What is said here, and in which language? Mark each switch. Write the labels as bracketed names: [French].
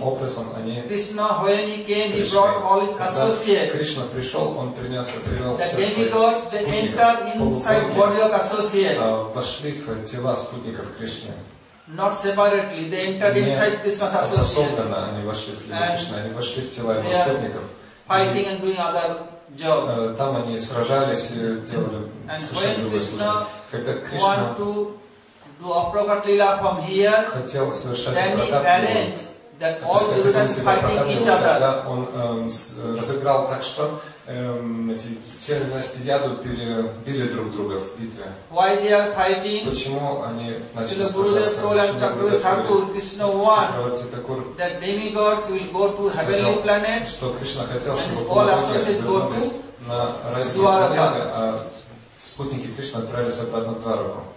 [English] Krishna, when he came, he brought all his associates. [Russian] Krishna пришел, он принес, привел [English] The demigods they entered inside body of associates. [Russian] Вошли в тела спутников Кришны. [English] Not separately, they entered inside Krishna's associates. [Russian] Они вошли в тело Кришны, они вошли в тела его спутников. [English] Fighting and doing other job. [Russian] Там они сражались и делали совершенно другое служение. Когда Кришна [English] want to do appropriate lila from here, [Russian] хотел совершать апрокат-лилу, он разыграл так, что эти все династии Яду перебили друг друга в битве. [English] Why they are fighting? [Russian] Почему они начали сражаться? [English] Krishna wanted that demigods will go to heavenly planet. [Russian] Что Кришна хотел, чтобы [English] all associated go to [Russian] на райские планеты, а спутники Кришны отправились обратно в Двараку.